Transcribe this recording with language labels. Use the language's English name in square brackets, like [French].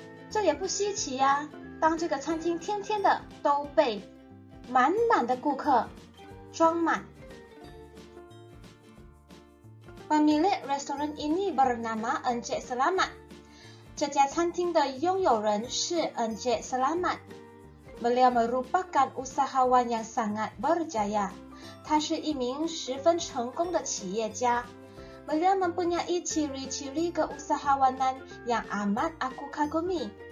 [Chinese] 这也不稀奇呀, 当这个餐厅天天的都被满满的顾客装满。 [Malay] Pemilik restoran ini bernama Encik Selamat. [Chinese] 这家餐厅的拥有人是Encik Selamat. [Malay] Beliau merupakan usahawan yang sangat berjaya. [Chinese] 他是一名十分成功的企业家。 [Malay] Beliau mempunyai ciri-ciri keusahawanan yang amat aku kagumi.